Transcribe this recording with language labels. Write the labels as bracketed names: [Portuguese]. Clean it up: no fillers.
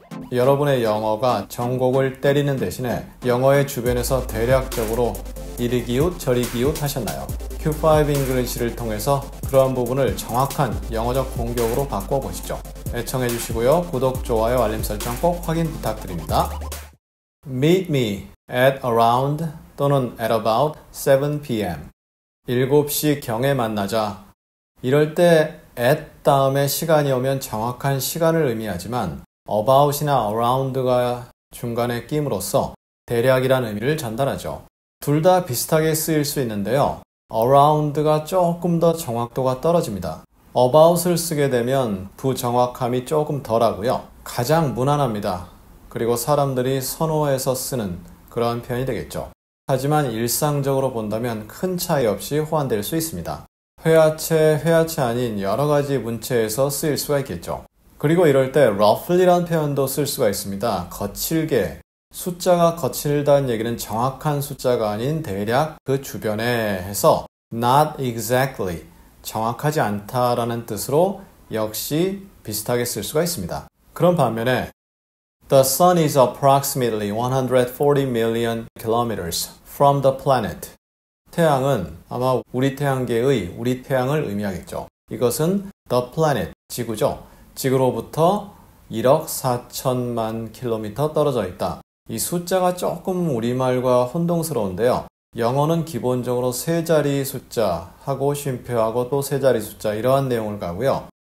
[Korean] 여러분의 영어가 정곡을 때리는 대신에 영어의 주변에서 대략적으로 이리기웃 저리기웃 하셨나요? Q5 English를 통해서 그러한 부분을 정확한 영어적 공격으로 바꿔 보시죠. 애청해 주시고요. 구독, 좋아요, 알림 설정 꼭 확인 부탁드립니다. [English] Meet me at around 또는 at about 7 p.m. [Korean] 7시 경에 만나자. 이럴 때 at 다음에 시간이 오면 정확한 시간을 의미하지만 about이나 around가 중간에 낌으로써 대략이라는 의미를 전달하죠. 둘다 비슷하게 쓰일 수 있는데요. around가 조금 더 정확도가 떨어집니다. about을 쓰게 되면 부정확함이 조금 덜하고요. 가장 무난합니다. 그리고 사람들이 선호해서 쓰는 그러한 표현이 되겠죠. 하지만 일상적으로 본다면 큰 차이 없이 호환될 수 있습니다. 회화체 아닌 여러 가지 문체에서 쓰일 수가 있겠죠. 그리고 이럴 때 roughly라는 표현도 쓸 수가 있습니다. 거칠게. 숫자가 거칠다는 얘기는 정확한 숫자가 아닌 대략 그 주변에 해서 [English] not exactly, [Korean] 정확하지 않다라는 뜻으로 역시 비슷하게 쓸 수가 있습니다. 그런 반면에 [English] The sun is approximately 140 million kilometers from the planet. [Korean] 태양은 아마 우리 태양을 의미하겠죠. 이것은 the planet, 지구죠. 지구로부터 1억 4천만 킬로미터 떨어져 있다. 이 숫자가 조금 우리말과 혼동스러운데요. 영어는 기본적으로 세 자리 숫자하고 쉼표하고 또세 자리 숫자 이러한 내용을 가고요.